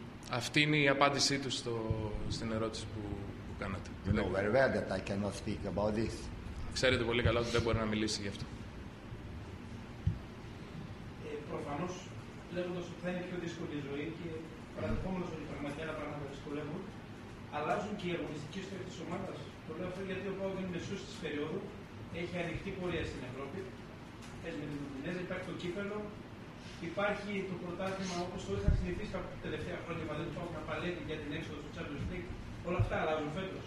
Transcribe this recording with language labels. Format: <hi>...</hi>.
<el>Αυτή είναι η απάντησή του στην ερώτηση που κάνατε.</el> <en>You know very well that I cannot speak about this.</en> <el>Ξέρετε πολύ καλά ότι δεν μπορεί να μιλήσει γι' αυτό. Προφανώς, βλέποντας ότι θα είναι πιο δύσκολη η ζωή και παραδεχόμενος ότι πραγματικά τα πράγματα δυσκολεύουν, αλλάζουν και οι αγωνιστικοί στόχοι της ομάδας. Το λέω αυτό γιατί ο ΠΑΟΚ είναι μεσούς της περίοδου, έχει ανοιχτή πορεία στην Ευρώπη, έτσι με την Ουντινέζα, υπάρχει το κύπελο, υπάρχει το πρωτάθλημα όπως το είχα συνηθίσει τα τελευταία χρόνια παλιά του ΠΑΟΚ να παλεύει για την έξοδο του Champions League. Όλα αυτά αλλάζουν φέτος.</el>